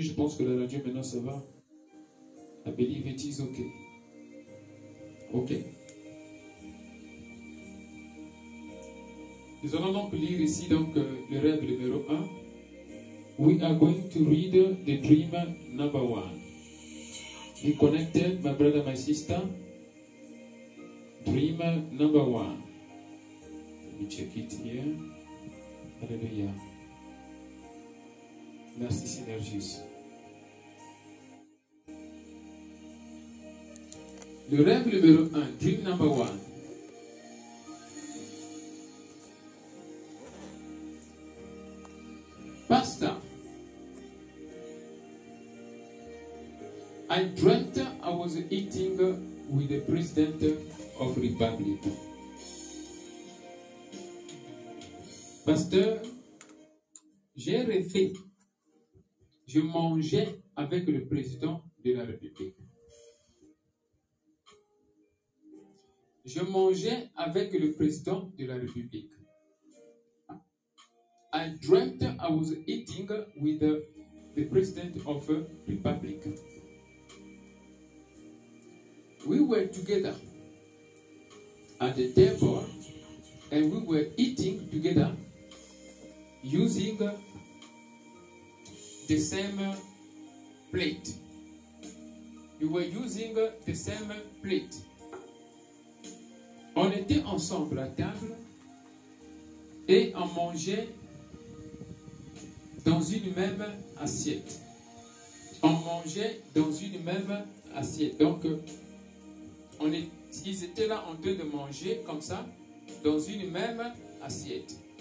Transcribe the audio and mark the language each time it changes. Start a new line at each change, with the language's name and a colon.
French: Je pense que la radio, maintenant, ça va.
English: I believe it is ok. Ok.
French: Nous allons donc lire ici donc, le rêve numéro 1.
English: We are going to read the dream number 1. Be connected, my brother, my sister. Dream number 1. Let me check it here. Alléluia.
French: Merci, Synergis. Le rêve numéro 1,
English: dream number 1. Pastor, I dreamt I was eating with the president of Republic.
French: Pasteur, j'ai rêvé. Je mangeais avec le président de la République. Je mangeais avec le président de la République.
English: I dreamt I was eating with the president of the Republic. We were together at the table and we were eating together using the same plate. We were using the same plate.
French: On était ensemble à table et on mangeait dans une même assiette. On mangeait dans une même assiette. Donc, ils étaient là en train de manger comme ça, dans une même assiette.